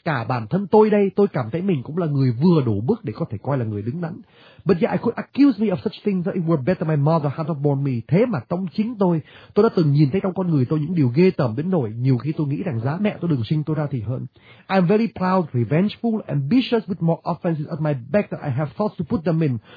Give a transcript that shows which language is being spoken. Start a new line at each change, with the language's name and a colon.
Vietnamese: Cả bản thân tôi đây, tôi cảm thấy mình cũng là người vừa đủ bước để có thể coi là người đứng đắn.
English: But yet I could accuse me of such things that it were better my mother had not born me.
Vietnamese: Thế mà trong chính tôi đã từng nhìn thấy trong con người tôi những điều ghê tởm đến nỗi nhiều khi tôi nghĩ rằng giá mẹ tôi đừng sinh tôi ra thì hơn.
English: I am very proud, revengeful, ambitious with more offenses at my back than I have thoughts to put them in.